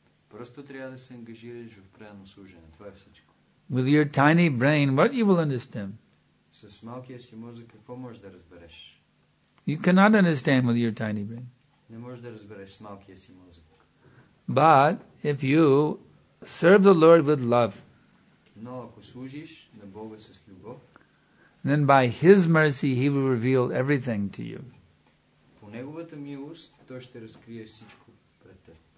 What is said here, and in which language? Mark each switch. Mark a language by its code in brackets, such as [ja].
[bg] Просто трябва да се ангажираш в правилно служене, това е всичко. [en] With your tiny brain, what you will understand? [bg] С малкия си мозък, какво можеш да разбереш? [en] You cannot understand with your tiny brain. [bg] Не можеш да разбереш с малкия си мозък. [en] But if you serve the Lord with love, [bg] но ако служиш на Бога с любов, [en] then by His mercy He will reveal everything to you. [bg] По Неговата милост, Той ще разкрие всичко пред теб.